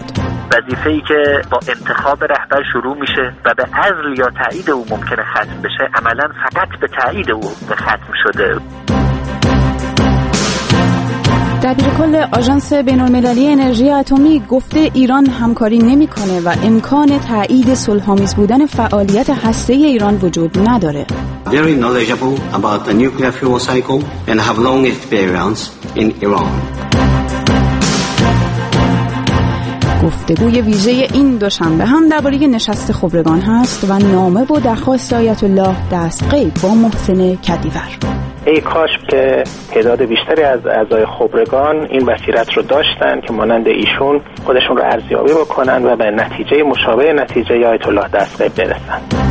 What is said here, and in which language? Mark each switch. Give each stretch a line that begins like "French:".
Persian: وظیفه‌ای که با انتخاب رهبر شروع میشه و به عزل یا تایید او ممکنه ختم بشه، عملاً فقط به تایید او ختم شده. دبیرکل آژانس بین‌المللی انرژی اتمی گفته ایران همکاری نمی‌کنه و امکان تایید صلح‌آمیز بودن فعالیت هسته‌ای ایران وجود نداره.
English: Very knowledgeable about the nuclear fuel cycle and have long experience in Iran.
Persian: گفتگوی ویژه این دوشنبه هم درباره نشست خبرگان هست و نامه و درخواست آیت الله دستغیب با محسن کدیور. ای کاش که تعداد بیشتری از اعضای خبرگان این بصیرت رو داشتن که مانند ایشون خودشون رو ارزیابی بکنن و به نتیجه مشابه نتیجه آیت الله دستغیب برسن.